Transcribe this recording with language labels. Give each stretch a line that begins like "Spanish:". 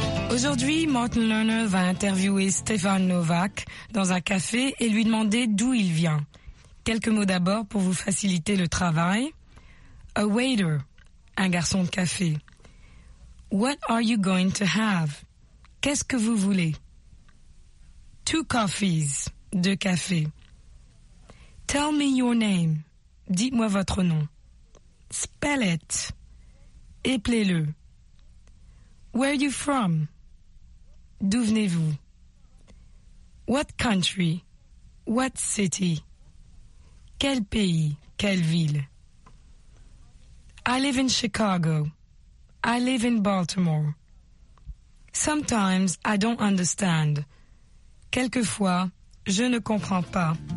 French: Aujourd'hui, Martin Lerner va interviewer Stefan Novak dans un café et lui demander d'où il vient. Quelques mots d'abord pour vous faciliter le travail.
English: A waiter,
French: un garçon de café.
English: What are you going to have?
French: Qu'est-ce que vous voulez?
English: Two coffees,
French: deux cafés.
English: Tell me your name.
French: Dites-moi votre nom.
English: Spell it.
French: Épelez-le.
English: Where are you from?
French: D'où venez-vous?
English: What country? What city?
French: Quel pays? Quelle ville?
English: I live in Chicago. I live in Baltimore. Sometimes I don't understand.
French: Quelquefois, je ne comprends pas.